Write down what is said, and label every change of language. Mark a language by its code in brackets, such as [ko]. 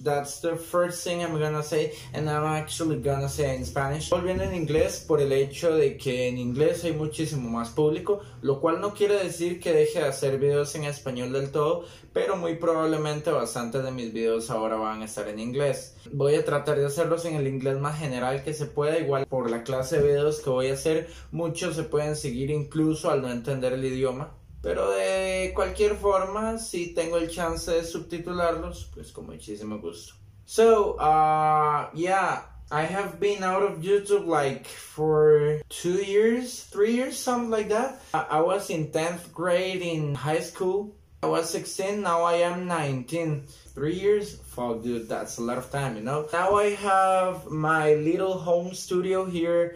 [en] That's the first thing I'm gonna say, and I'm actually gonna say in Spanish. [es] Volviendo en inglés por el hecho de que en inglés hay muchísimo más público, lo cual no quiere decir que deje de hacer videos en español del todo, pero muy probablemente bastantes de mis videos ahora van a estar en inglés. Voy a tratar de hacerlos en el inglés más general que se pueda, igual por la clase de videos que voy a hacer, muchos se pueden seguir incluso al no entender el idioma. Pero de cualquier forma, si tengo el chance de subtitularlos, pues con muchísimo gusto. [en] So, yeah, I have been out of YouTube like for 2 years, 3 years, something like that. I was in 10th grade in high school. I was 16, now I am 19. 3 years? Fuck, dude, that's a lot of time, you know? Now I have my little home studio here.